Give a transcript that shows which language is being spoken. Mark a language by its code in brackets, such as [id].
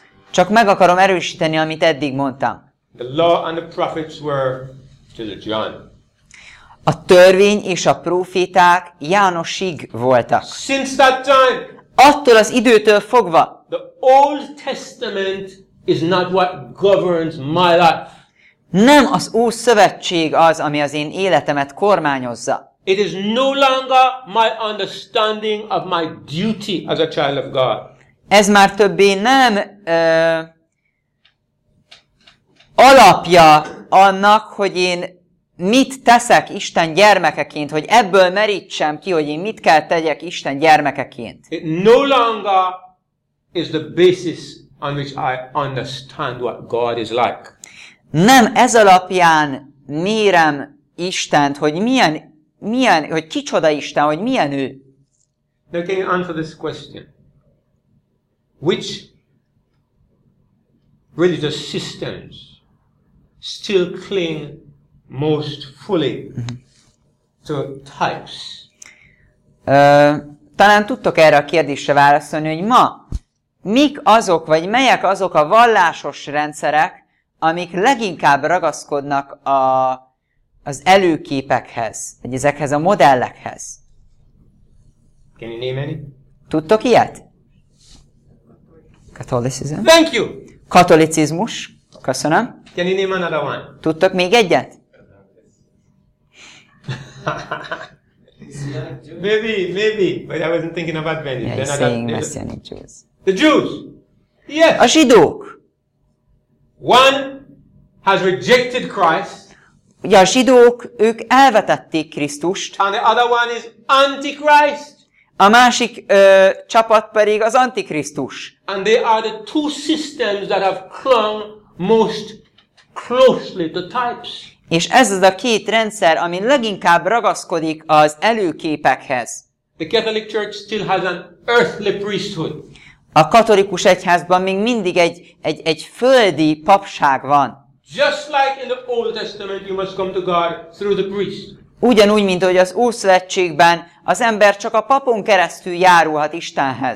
[hu] Csak meg akarom erősíteni, amit eddig mondtam. [en] The law and the prophets were to the John. [hu] A törvény és a próféták Jánosig voltak. [en] Since that time, [hu] attól az időtől fogva, [en] the Old Testament is not what governs my life. [hu] Nem az Ószövetség az, ami az én életemet kormányozza. [en] It is no longer my understanding of my duty as a child of God. [hu] Ez már többé nem alapja annak, hogy én mit teszek Isten gyermekeként, hogy ebből merítsem ki, hogy én mit kell tegyek Isten gyermekeként. [en] It no longer is the basis on which I understand what God is like. [hu] Nem ez alapján mérem Istent, hogy milyen, hogy kicsoda Isten, hogy milyen ő. [en] Now can you answer this question? Which religious systems still cling most fully to types? [hu] Talán tudtok erre a kérdésre válaszolni, hogy ma mik azok, vagy melyek azok a vallásos rendszerek, amik leginkább ragaszkodnak az előképekhez, vagy ezekhez a modellekhez? [en] Can you name any? [hu] Tudtok ilyet? [en] Catholicism. Thank you! [hu] Katolicizmus. Köszönöm. [en] Can you name another one? [hu] Tudtok még egyet? [en] maybe, but I wasn't thinking about many. Yeah, saying Messianic Jews. The Jews, yes. [hu] A zsidók. [en] One has rejected Christ. [hu] Ugye a zsidók, ők elvetették Krisztust. [en] And the other one is Antichrist. [hu] A másik csapat pedig az Antikrisztus. [en] And they are the two systems that have clung most closely to types. [hu] És ez az a két rendszer, ami leginkább ragaszkodik az előképekhez. [en] The Catholic Church still has an earthly priesthood. [hu] A katolikus egyházban még mindig egy földi papság van. [en] Just like in the Old Testament, you must come to God through the priest. [hu] Ugyanúgy, mint hogy az Ószövetségben az ember csak a papon keresztül járulhat Istenhez.